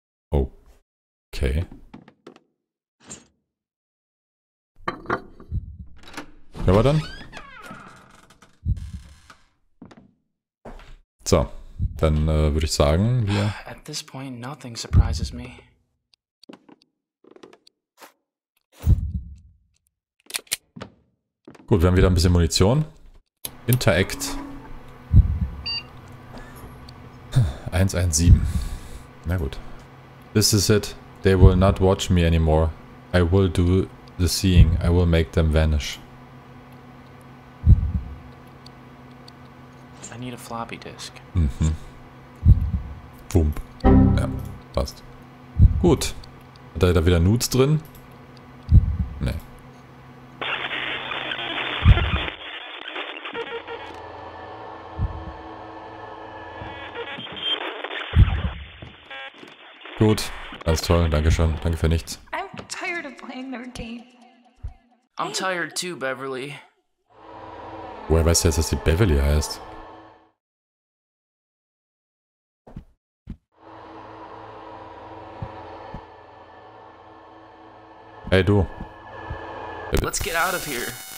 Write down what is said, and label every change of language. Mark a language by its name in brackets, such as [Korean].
[German] Okay. Hören wir dann? So, dann würde ich sagen, wir... [English] At this point, nothing surprises me. [German] Gut, wir haben wieder ein bisschen Munition. [English] Interact. 117. [German] Na gut. [English] This is it. They will not watch me anymore. I will do the seeing. I will make them vanish. I need a floppy disk. [German] Mhm. Bump. Ja, passt. Gut. Hat er da wieder Nudes drin? Nee. Gut. Alles toll. Danke schon. Danke für nichts. [English] I'm tired of playing their game. I'm tired too, Beverly. [German] Woher weißt du jetzt, dass die Beverly heißt? Hey du. [English] Let's get out of here.